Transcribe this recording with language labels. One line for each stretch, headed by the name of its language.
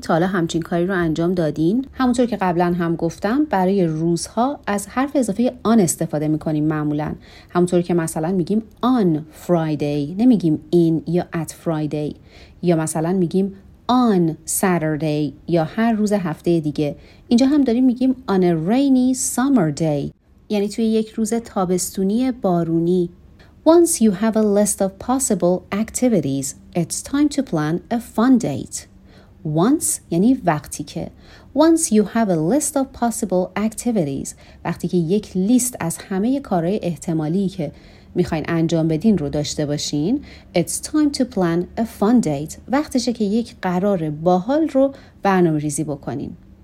Persian: تا حالا همچین کاری رو انجام دادین؟ همونطور که قبلا هم گفتم برای روزها از حرف اضافه آن استفاده میکنیم معمولا، همونطور که مثلا میگیم
English: on Friday،
Persian: نمیگیم in یا at Friday، یا مثلا میگیم
English: on Saturday
Persian: یا هر روز هفته دیگه. اینجا هم داریم میگیم
English: on a rainy summer day،
Persian: یعنی توی یک روز تابستونی بارونی.
English: Once you have a list of possible activities, it's time to plan a fun date. Once یعنی وقتی که. Once you have a list of possible activities،
Persian: وقتی که یک لیست از همه کارهای احتمالی که میخواین انجام بدین رو داشته باشین،
English: it's time to plan a fun date،
Persian: وقتشه که یک قرار باحال رو برنامه ریزی بکنین.